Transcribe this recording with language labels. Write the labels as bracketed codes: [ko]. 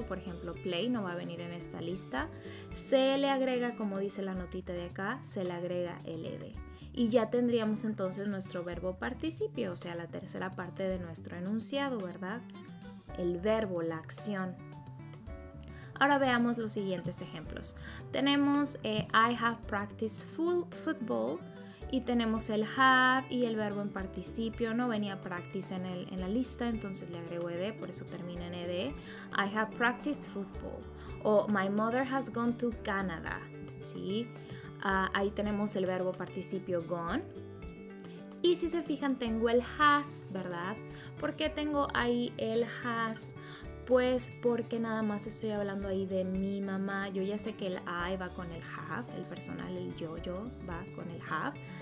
[es] Por ejemplo, play no va a venir en esta lista. Se le agrega, como dice la notita de acá, se le agrega ed. Y ya tendríamos entonces nuestro verbo participio, o sea, la tercera parte de nuestro enunciado, ¿verdad? El verbo, la acción. Ahora veamos los siguientes ejemplos. Tenemos [en] I have practiced football. [es] Y tenemos el have y el verbo en participio. No venía practice en la lista, entonces le agrego ed, por eso termina en ed. [en] I have practiced football. O my mother has gone to Canada. [es] ¿Sí? Ahí tenemos el verbo participio gone. Y si se fijan, tengo el has, ¿verdad? ¿Por qué tengo ahí el has? Pues porque nada más estoy hablando ahí de mi mamá. Yo ya sé que el I va con el have, el personal, el yo va con el have.